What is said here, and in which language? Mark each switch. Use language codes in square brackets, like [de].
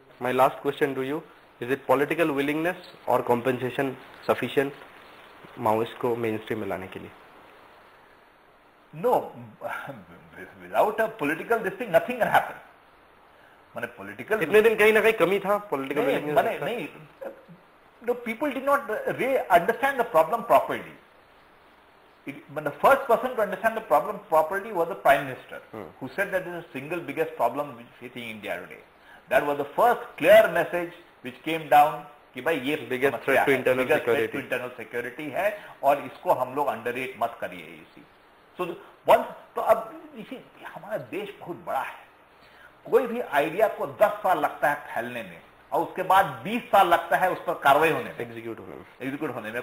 [en] My last question to you is it political willingness और compensation sufficient Maoist को mainstream में लाने के लिए? No, without a political this thing nothing can happen. [hi] माने political इतने दिन कहीं ना कहीं कमी था पॉलिटिकल [en] Willingness, माने नहीं, people did not re understand the problem properly. The first person to understand the problem properly was the Prime Minister, who said that is the single biggest problem facing India today. That was the first clear message which came down कि भाई ये biggest threat to internal biggest security, [hi] threat to internal security है और इसको हम लोग underrate मत करिए इसी। So once तो अब इसी हमारा देश बहुत बड़ा है, कोई भी idea को 10 साल लगता है फैलने में और उसके बाद 20 साल लगता है उस पर कार्रवाई होने में, एग्जीक्यूट होने में